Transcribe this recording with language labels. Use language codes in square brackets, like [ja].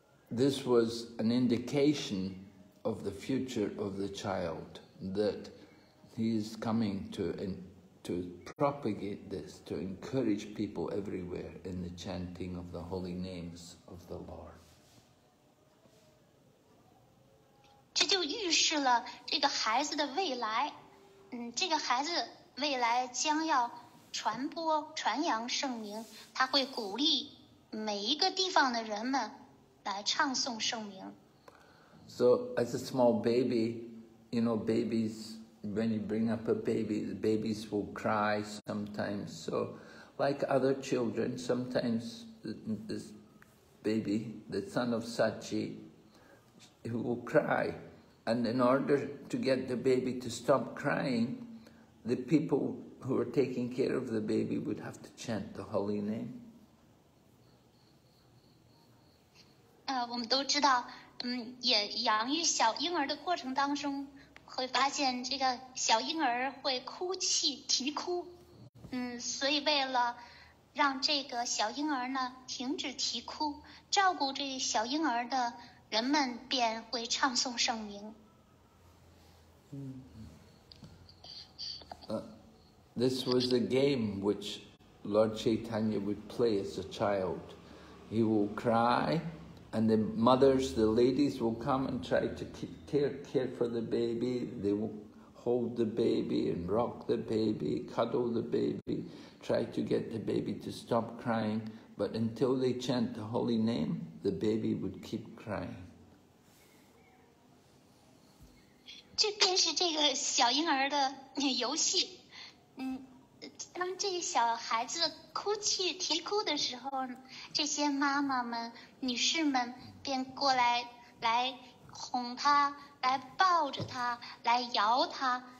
[en] This was an indication of the future of the child that he is coming to propagate this, to encourage people everywhere in the chanting of the holy names of the Lord. [zh] 这就预示了这个孩子的未来，这个孩子未来将要传播传扬圣名，他会鼓励每一个地方的人们来唱诵圣名。 [en] So as a small baby, you know, babies,When you bring up a baby, the babies will cry sometimes. So, like other children, sometimes this baby, the son of Sachi, he will cry. And in order to get the baby to stop crying, the people who are taking care of the baby would have to chant the holy name. [zh] 我们都知道，养育小婴儿的过程当中。会发现这个小婴儿会哭泣啼哭，所以为了让这个小婴儿呢停止啼哭，照顾这小婴儿的人们便会唱诵圣名。 [en] This was a game which Lord Chaitanya would play as a child. He will cry. And the mothers, the ladies will come and try to care for the baby. They will hold the baby and rock the baby, cuddle the baby, try to get the baby to stop crying. But until they chant the holy name, the baby would keep crying. [zh] 这便是这个小婴儿的游戏。当这些小孩子哭泣啼哭的时候，这些妈妈们、女士们便过来来哄他，来抱着他，来摇他。